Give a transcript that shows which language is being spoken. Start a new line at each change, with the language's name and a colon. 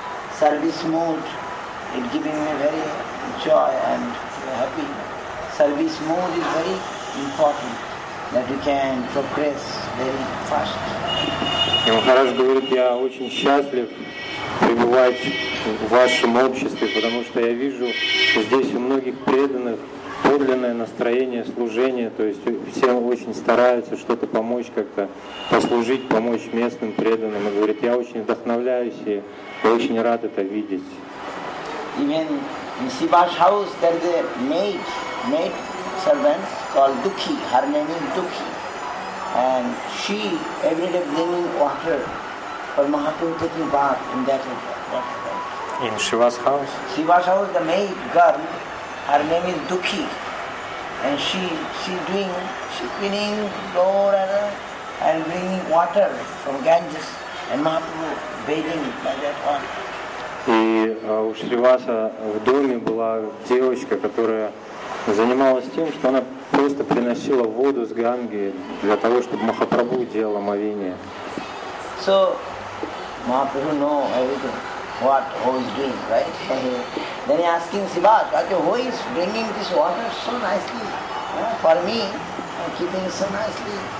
English: It giving me very joy and happy. Service mode is very important, that you can progress very fast.
Russian: Махарадж говорит, я очень счастлив пребывать в вашем обществе, потому что я вижу здесь у многих преданных подлинное настроение служения, то есть все очень стараются что-то помочь, как-то послужить, помочь местным преданным. И говорит, я очень вдохновляюсь и очень рад это видеть.
English: Even in Siva's house there is a maid servant called Dukhi. Her name is Dukhi. And she every day bringing water for Mahaprabhu taking bath in that water. In Shiva's house? Siva's house, the maid girl, her name is Dukhi. And she's cleaning floor and bringing water from Ganges and Mahaprabhu bathing by that water.
Russian: И у Шриваса в доме была девочка, которая занималась тем, что она просто приносила воду с Ганги для того, чтобы Махапрабху делал омовение.
English: So Mahaprabhu knows everything, what who is doing, right? Then he asking Siva, okay, who is bringing this water so nicely? For me, I'm keeping it so nicely.